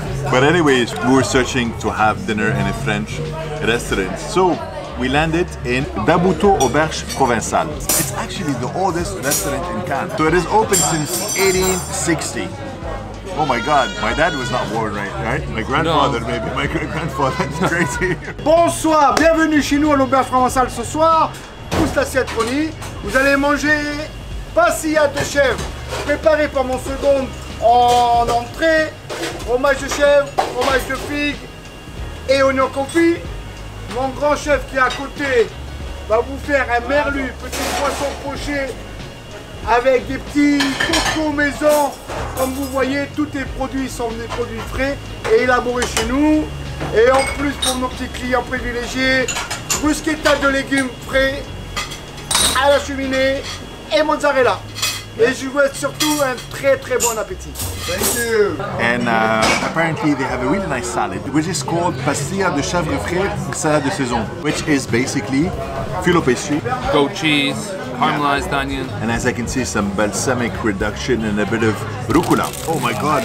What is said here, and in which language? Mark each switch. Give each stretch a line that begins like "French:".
English: But anyways, we were searching to have dinner in a French restaurant. So we landed in Dabuto Auberge Provençale. It's actually the oldest restaurant in Cannes. So it is open since 1860. Oh my God, my dad was not born right? My grandfather, no. Maybe. My great-grandfather, that's crazy.
French: Bonsoir, bienvenue chez nous à l'Auberge Provençale ce soir. Pousse l'assiette, Ronnie. Vous allez manger pastillade de chèvre, préparée par mon second en entrée. Fromage de chèvre, fromage de figue et oignon confit. Mon grand chef qui est à côté va vous faire un merlu, petit poisson poché avec des petits cocos maison. Comme vous voyez, tous les produits sont des produits frais et élaborés chez nous. Et en plus, pour nos petits clients privilégiés, bruschetta de légumes frais à la cheminée et mozzarella. Et je vous souhaite surtout un très très bon appétit.
English: Thank you. And apparently they have a really nice salad, which is called pastilla de chèvre frais, salade de saison, which is basically filo pastry, goat cheese, caramelized onion, and as I can see, some balsamic reduction and a bit of rucola. Oh my God!